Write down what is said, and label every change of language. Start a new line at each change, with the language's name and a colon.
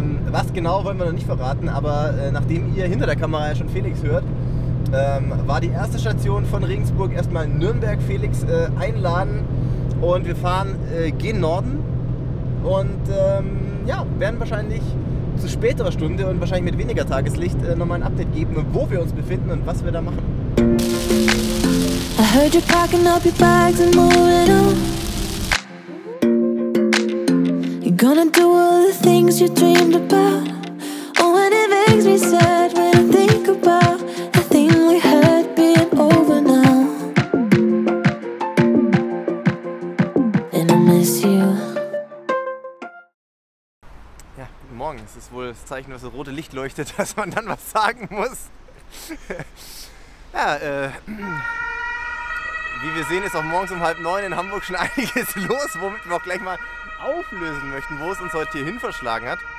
German: Was genau wollen wir noch nicht verraten, aber nachdem ihr hinter der Kamera ja schon Felix hört, war die erste Station von Regensburg erstmal Nürnberg. Felix einladen und wir fahren gen Norden und ja, werden wahrscheinlich zu späterer Stunde und wahrscheinlich mit weniger Tageslicht nochmal ein Update geben, wo wir uns befinden und was wir da machen.
English: I heard you packing up your bags and moving on. You're gonna do all the things you dreamed about. Oh, and it makes me sad when I think about the thing we had being over now. And I miss you.
German: Ja, guten Morgen. Es ist wohl das Zeichen, dass das rote Licht leuchtet, dass man dann was sagen muss. Ja, wie wir sehen, ist auch morgens um 8:30 in Hamburg schon einiges los, womit wir auch gleich mal auflösen möchten, wo es uns heute hier hin verschlagen hat.